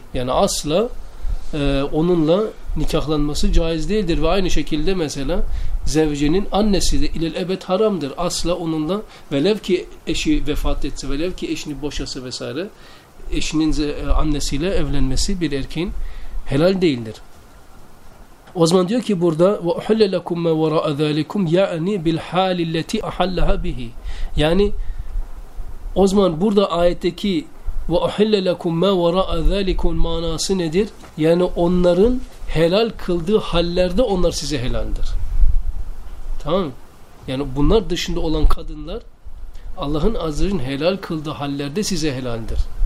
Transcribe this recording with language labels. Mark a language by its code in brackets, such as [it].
[tr] Yani asla onunla nikahlanması caiz değildir. Ve aynı şekilde mesela zevcenin annesi de [ar] ilel ebed [tr] haramdır. Asla onunla, velev ki eşi vefat etse, velev ki eşini boşasa vesaire, eşinin annesiyle evlenmesi bir erkeğin helal değildir. O zaman diyor ki burada [ar] وَاُحُلَّ لَكُمْ مَا وَرَاءَ ذَٰلِكُمْ يَعْنِي بِالْحَالِ اللَّتِي أَحَلَّهَا بِهِ. [tr] Yani o zaman burada ayetteki [ar] وَاُحِلَّ لَكُمْ مَا وَرَاءَ ذَٰلِكُمْ [tr] manası nedir? Yani onların helal kıldığı hallerde onlar size helaldir. Tamam. Yani bunlar dışında olan kadınlar Allah'ın azizin helal kıldığı hallerde size helaldir.